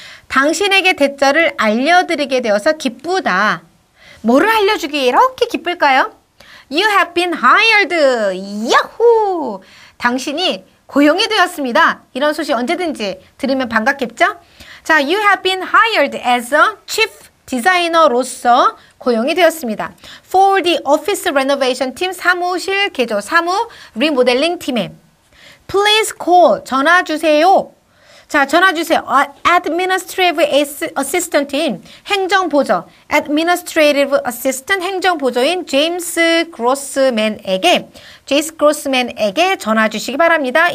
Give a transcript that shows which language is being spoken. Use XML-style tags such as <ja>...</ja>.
<ko>당신에게 대자를 알려드리게 되어서 기쁘다. 뭐를 알려주기에 이렇게 기쁠까요?</ko> <en>You have been hired.</en> <ko>야호! 당신이 고용이 되었습니다. 이런 소식 언제든지 들으면 반갑겠죠?</ko> <en>자, You have been hired as a chief designer로서</en> <ko>고용이 되었습니다.</ko> <en>For the office renovation team,</en> <ko>사무실 개조, 사무 리모델링 팀에.</ko> <en>Please call,</en> <ko>전화 주세요. 자, 전화 주세요. Administrative assistant 팀, 행정보조. Administrative assistant, 행정보조인 제임스 그로스맨에게 제이스 그로스맨에게 전화 주시기 바랍니다.</ko>